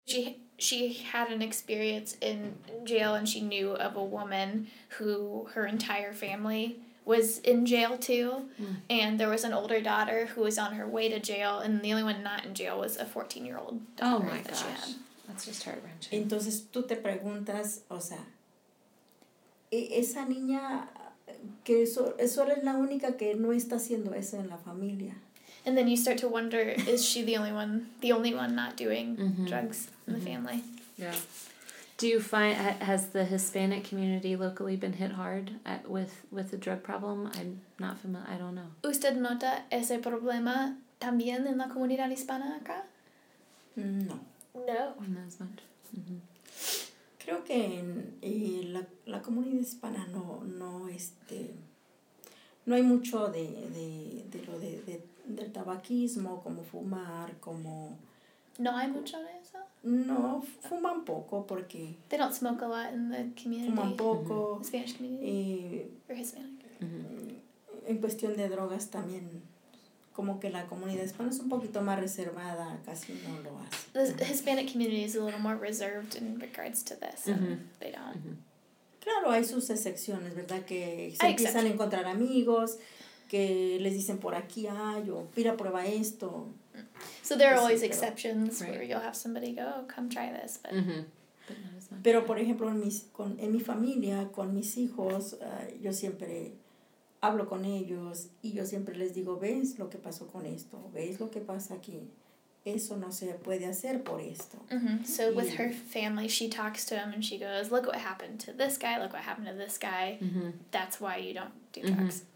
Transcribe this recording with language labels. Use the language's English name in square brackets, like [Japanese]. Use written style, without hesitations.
[English] She had an experience in jail, and she knew of a woman who her entire family was in jail too. Mm. And there was an older daughter who was on her way to jail, and the only one not in jail was a 14-year-old daughter. Oh my gosh. She had. That's just heart-wrenching. [Spanish] Entonces tú te preguntas, o sea, esa niña que solo es la única que no está haciendo eso en la familia. [English] And then you start to wonder, is she the only one not doing drugs in the family? Yeah. Do you find, has the Hispanic community locally been hit hard with the drug problem? I'm not familiar, I don't know. [Spanish] ¿Usted nota ese problema también en la comunidad hispana acá? No. [English] No. Not as much. Mm-hmm. [Spanish] Creo que en la comunidad hispana no hay mucho del tabaquismo, como fumar, como... ¿No hay mucho de eso? No, fuman poco porque... [English] They don't smoke a lot in the community. [Spanish] Fuman poco. Mm-hmm. [English] The Spanish community. Or Hispanic. Mm-hmm. [Spanish] En cuestión de drogas también, como que la comunidad hispana es un poquito más reservada, casi no lo hace. [English] The Hispanic community is a little more reserved in regards to this. Mm-hmm. They don't. Mm-hmm. [Spanish] Claro, hay sus excepciones, ¿verdad? Que se empiezan a encontrar amigos, que les dicen por aquí hay, o mira, prueba esto. [English] So there are always exceptions, right, where you'll have somebody go, oh, come try this. But, mm-hmm, but not as much. [Spanish] Pero, por ejemplo, en mi familia, con mis hijos, yo siempre hablo con ellos y yo siempre les digo, ¿ves lo que pasó con esto? ¿Ves lo que pasa aquí? Eso no se puede hacer por esto. Mm-hmm. [English] So with her family, she talks to him and she goes, look what happened to this guy, look what happened to this guy. Mm-hmm. That's why you don't do drugs.